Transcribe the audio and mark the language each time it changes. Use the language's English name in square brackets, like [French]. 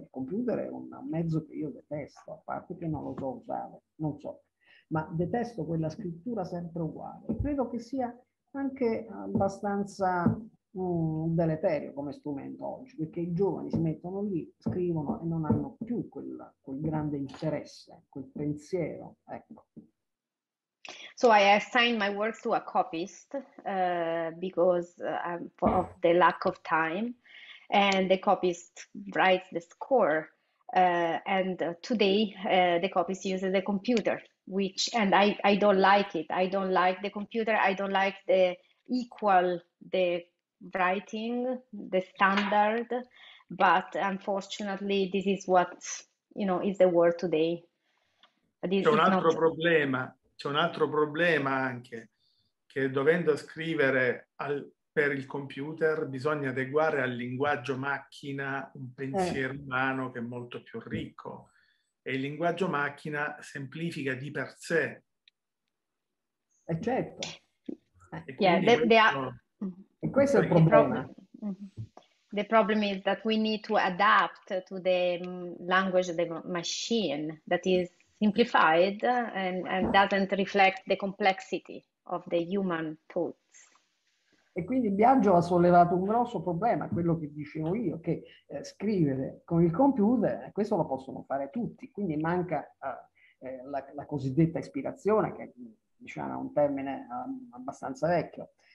[Italian] Il computer è un mezzo che io detesto, a parte che non lo so usare, non so, ma detesto quella scrittura sempre uguale. Credo che sia anche abbastanza deleterio come strumento oggi, perché i giovani si mettono lì, scrivono e non hanno più quel grande interesse, quel pensiero, ecco. [English] So I assigned my works to a copyist because of the lack of time, and the copyist writes the score. Today the copyist uses the computer, which I don't like it. I don't like the computer. I don't like the equal the writing, the standard, but unfortunately this is what, you know, is the world today. [Italian] C'è un altro problema anche, che dovendo scrivere per il computer bisogna adeguare al linguaggio macchina un pensiero umano che è molto più ricco, e il linguaggio macchina semplifica di per sé. E certo. E questo è il problema. [English] The problem is that we need to adapt to the language of the machine that is simplified and doesn't reflect the complexity of the human thoughts. [Italian] E quindi Biagio ha sollevato un grosso problema, quello che dicevo io, che scrivere con il computer, questo lo possono fare tutti, quindi manca la cosiddetta ispirazione, che diciamo, è un termine abbastanza vecchio.